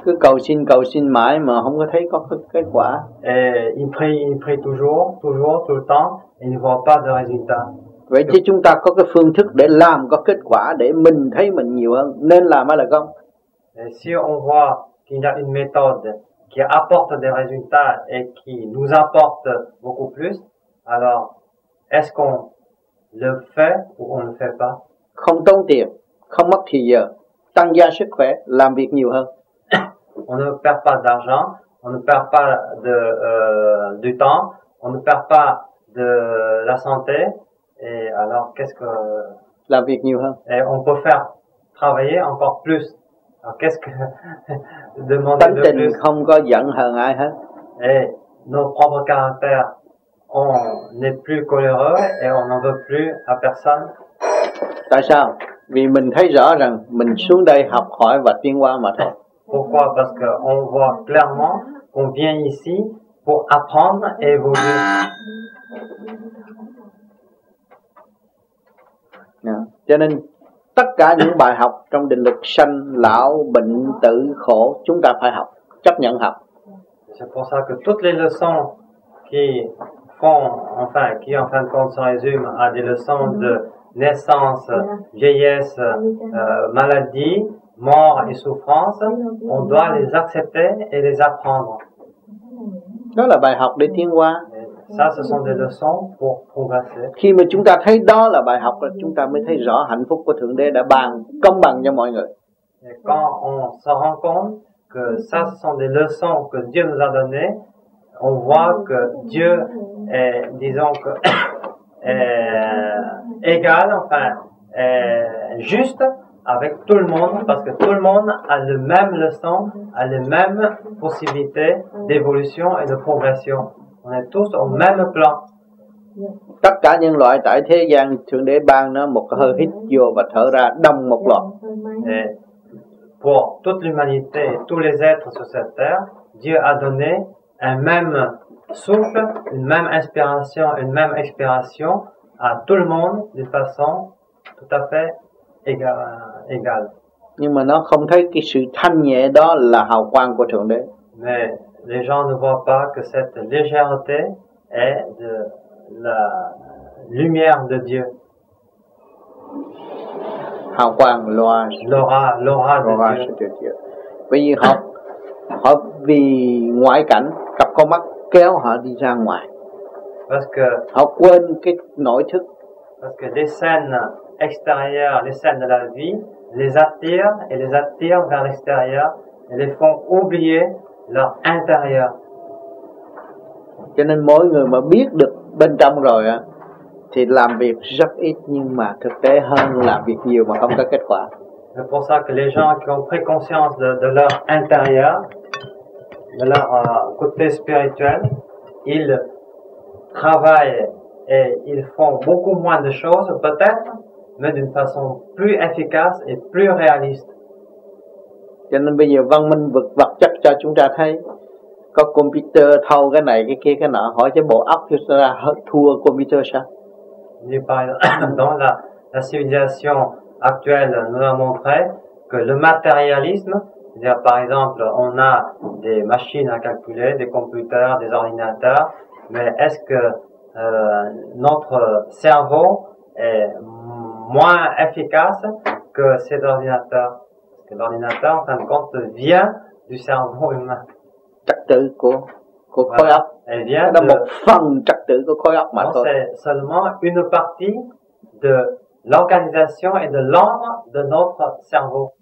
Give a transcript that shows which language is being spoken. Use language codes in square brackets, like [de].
[vi] Cứ cầu xin mãi mà không có thấy có kết quả. [fr] Et ils prient toujours, tout le temps, ils ne voient pas de résultat. [vi] Vậy chứ chúng ta có cái phương thức để làm có kết quả để mình thấy mình nhiều hơn nên làm hay là không? [fr] Si on voit qu'il y a une méthode qui apporte des résultats et qui nous apporte beaucoup plus, alors est-ce qu'on le fait ou on ne fait pas? [vi] Không tốn tiền, không mất thời giờ, tăng gia sức khỏe, làm việc nhiều hơn. [fr] On ne perd pas d'argent, on ne perd pas de du temps, on ne perd pas de la santé. Et alors qu'est-ce que [vi] làm việc nhiều hơn? [fr] Et on peut faire travailler encore plus. Alors qu'est-ce que demander de plus? [vi] Tính tình không có giận hờn ai hết. [fr] Et nos propres caractères, on n'est plus coléreux et on n'en veut plus à personne. [vi] Tại sao? Vì mình thấy rõ rằng mình xuống đây học hỏi và tiến hóa mà thôi. [fr] Pourquoi? Parce que on voit clairement qu'on vient ici pour apprendre et évoluer. [vi] Cho nên tất cả những bài học trong định luật sanh lão bệnh tử khổ chúng ta phải học, chấp nhận học. [fr] C'est pour ça que toutes les leçons qui font, enfin, qui en fin de compte se résument à des leçons de naissance, vieillesse, maladie, mort et souffrance, on doit les accepter et les apprendre. [vi] Đó là bài học để tiến hóa. [fr] Ça, ce sont des leçons pour progresser. [vi] Khi mà chúng ta thấy đó là bài học, chúng ta mới thấy rõ hạnh phúc của Thượng Đế đã ban công bằng cho mọi người. [fr] Et quand on se rend compte que ça, ce sont des leçons que Dieu nous a données, on voit que Dieu est, disons que est égal, enfin, est juste avec tout le monde, parce que tout le monde a le même leçon, a les mêmes possibilités d'évolution et de progression. On est tous au même plan. [vi] Tất cả nhân loại tại thế gian, Thượng Đế ban nó một hơi hít vô và thở ra đồng một loạt. [fr] Pour toute l'humanité, tous les êtres sur cette terre, Dieu a donné un même souffle, une même inspiration, une même expiration à tout le monde de façon tout à fait égale. [vi] Nhưng mà nó không thấy cái sự thanh nhẹ đó là hào quang của Thượng Đế. [fr] Mais les gens ne voient pas que cette légèreté est de la lumière de Dieu. [vi] Hào quang, [fr] l'aura de Dieu. [vi] Bởi vì họ, họ vì ngoại cảnh, cặp con mắt kéo họ đi ra ngoài. [fr] Parce que, [vi] họ quên cái nội thức. [fr] Parce que les scènes extérieures, les scènes de la vie, les attirent et les attirent vers l'extérieur et les font oublier leur intérieur. [vi] Cho nên mỗi người mà biết được bên trong rồi á, thì làm việc rất ít nhưng mà thực tế hơn làm việc nhiều mà không có kết quả. [fr] C'est pour ça que les gens qui ont pris conscience de leur intérieur, de leur côté spirituel, ils travaillent et ils font beaucoup moins de choses, peut-être, mais d'une façon plus efficace et plus réaliste. [vi] Cho nên bây giờ văn minh vật chất cho chúng ta thấy có computer thâu cái này cái kia cái nọ, hỏi cho bộ óc chúng ta thua computer sao? [fr] Dans la civilisation actuelle, nous a montré que le matérialisme, c'est-à-dire par exemple, on a des machines à calculer, des computers, des ordinateurs, mais est-ce que notre cerveau est moins efficace que ces ordinateurs? Parce que l'ordinateur, en fin de compte, vient du cerveau humain. [vi] Trật tự của khối óc. [fr] Elle vient [vi] de một phần trật tự của khối óc mà thôi. [fr] C'est seulement une partie de l'organisation et de l'ordre de notre cerveau.